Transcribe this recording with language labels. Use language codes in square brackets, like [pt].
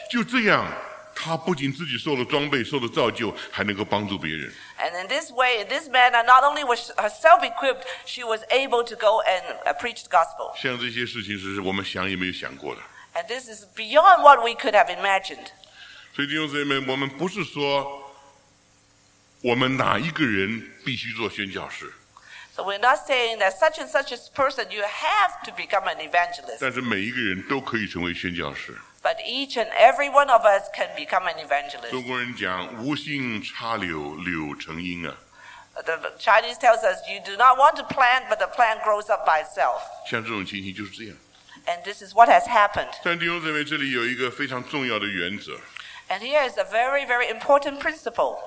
[zh] 就这样。他不仅自己受了装备受了造就还能够帮助别人。 [en] And in this way, in this manner, not only was herself equipped, she was able to go and preach the gospel. [zh] 像这些事情是我们想也没有想过的。 [en] And this is beyond what we could have imagined. [zh] 所以弟兄姊妹我们不是说我们哪一个人必须做宣教士。 [en] So we're not saying that such and such a person, you have to become an evangelist. [zh] 但是每一个人都可以成为宣教士。 [en] But each and every one of us can become an evangelist. [zh] 中国人讲无心插柳柳成荫啊。 [en] The Chinese tells us you do not want to plant, but the plant grows up by itself. [zh] 像这种情形就是这样。 [en] And this is what has happened. [zh] 但弟兄姊妹，这里有一个非常重要的原则。 [en] And here is a very, very important principle.